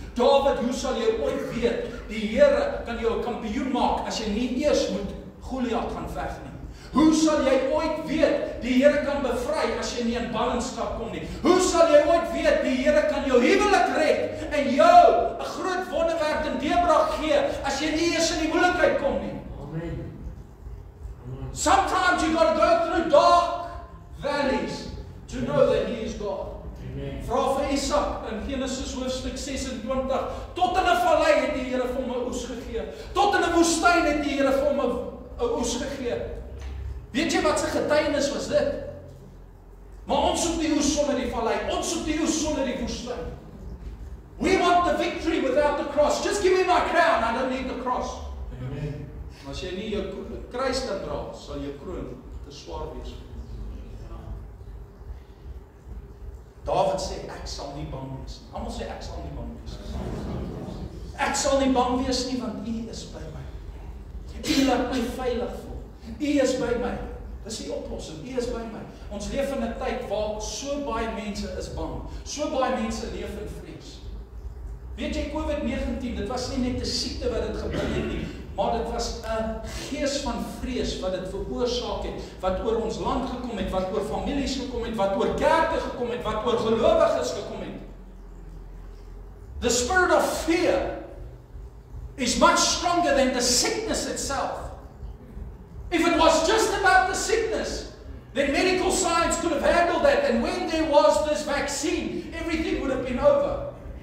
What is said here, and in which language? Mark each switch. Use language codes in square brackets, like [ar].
[af] David, hoe sal jy ooit weet, die Here kan jou 'n kampioen maak, as jy nie eers moet Goliat gaan veg nie. Hoe sal jy ooit weet, die Here kan bevry, as jy nie in ballingskap kom nie. Hoe sal jy ooit weet, die Here kan jou huwelik red, en jou 'n groot wonderwerk en deurbraak gee, as jy nie eers in die moeilikheid kom nie. Amen. [en] Sometimes you gotta go through dark valleys, to know that He is God. [af] Vra vir Isak in Genesis hoofstuk 26, tot in 'n vallei het die Here vir hom 'n oes gegee. Tot in 'n woestyn het die Here vir hom 'n oes gegee. Weet jy wat sy getuienis was dit? Maar ons soek die oes sonder die vallei. Ons soek die oes sonder die woestyn. [en] We want the victory without the cross. Just give me my crown. I don't need the cross. Amen. [af] As jy nie jou kruis kan dra, sal jou kroon te swaar wees. David sê, ek sal nie bang wees nie. Almal sê, ek sal nie bang wees nie. Ek sal nie bang wees nie, want U is by my. U laat my veilig voel. U is by my. Dis die oplossing. U is by my. Ons leef in 'n tyd waar so baie mense is bang. So baie mense leef in vrees. Weet jy, COVID-19, dit was nie net 'n siekte wat dit gebring het nie, maar dit was 'n gees van vrees wat dit veroorsaak het, wat oor ons land gekom het, wat oor families gekom het, wat oor kerke gekom het, wat oor gelowiges gekom het. [en] The spirit of fear is much stronger than the sickness itself. If it was just about the sickness, then medical science could have handled that, and when there was this vaccine, everything would have been over.